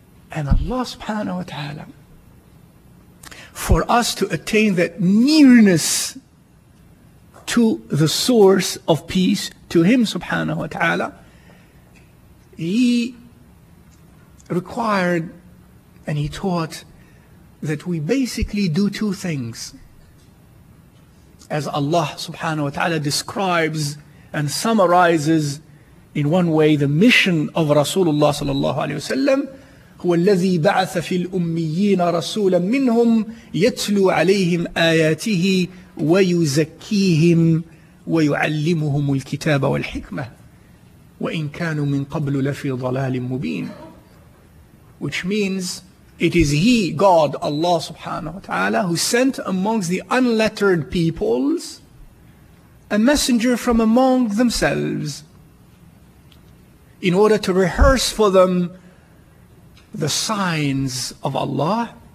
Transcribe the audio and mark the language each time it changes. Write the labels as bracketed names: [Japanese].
[English] And Allah subhanahu wa ta'ala, for us to attain that nearness to the source of peace, to Him subhanahu wa ta'ala, He required and He taught that we basically do two things. As Allah subhanahu wa ta'ala describes and summarizes in one way the mission of Rasulullah sallallahu alayhi wa sallam, [Arabic] هُوَ الَّذِي بَعَثَ فِي الْأُمِّيِّينَ رَسُولًا مِّنْهُمْ يَتْلُو عَلَيْهِمْ آيَاتِهِ وَيُزَكِّيهِمْ وَيُعَلِّمُهُمُ الْكِتَابَ وَالْحِكْمَةِ وَإِنْ كَانُوا مِنْ قَبْلُ لَفِي ضَلَالٍ مُّبِينٍ. [English] Which means, it is He, God, Allah subhanahu wa ta'ala, who sent amongst the unlettered peoples a messenger from among themselves in order to rehearse for them the signs of Allah